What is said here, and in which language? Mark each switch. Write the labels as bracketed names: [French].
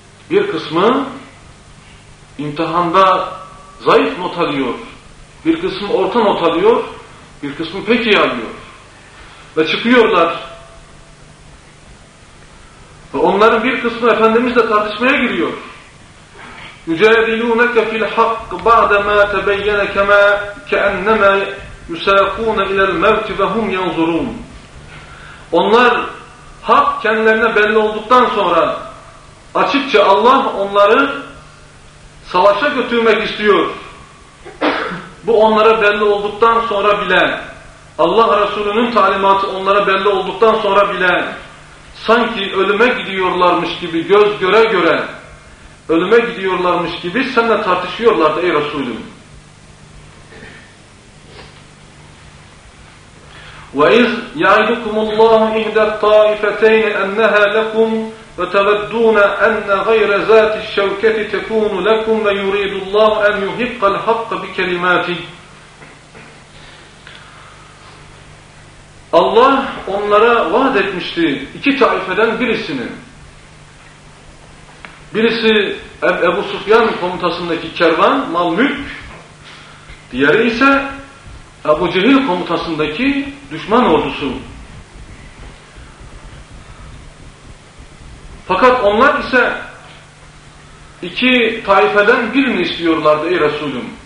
[Turkish] Bir kısmı imtihanda zayıf not alıyor. Bir kısmı orta not alıyor. Bir kısmı pek iyi alıyor. Ve çıkıyorlar. Ve onların bir kısmı Efendimizle tartışmaya giriyor. [Arabic] يُجَادِلُونَكَ فِي الْحَقِّ بَعْدَ مَا تَبَيَّنَ كَمَا كَأَنَّمَا يُسَاقُونَ اِلَى الْمَوْتِ وَهُمْ يَنْظُرُونَ [Turkish] Onlar hak kendilerine belli olduktan sonra açıkça Allah onları savaşa götürmek istiyor. Bu onlara belli olduktan sonra bile, Allah Resulü'nün talimatı onlara belli olduktan sonra bile sanki ölüme gidiyorlarmış gibi göz göre göre ölüme gidiyorlarmış gibi seninle tartışıyorlardı ey Resulüm. [Arabic] وَاِذْ يَعِدُكُمُ اللّٰهُ اِهْدَ الطَّائِفَتَيْنِ اَنَّهَا لَكُمْ وَتَوَدُّونَ اَنَّ غَيْرَ ذَاتِ الشَّوْكَةِ تَكُونُ لَكُمْ وَيُرِيدُ اللّٰهُ اَنْ يُحِقَّ الْحَقَّ بِكَلِمَاتِ [Turkish] Allah onlara vaat etmişti iki taifeden birisini. Birisi Ebu Sufyan komutasındaki kervan, mal mülk. Diğeri ise Ebu Cehil komutasındaki düşman ordusu. Fakat onlar ise iki taifeden birini istiyorlardı ey Resulüm.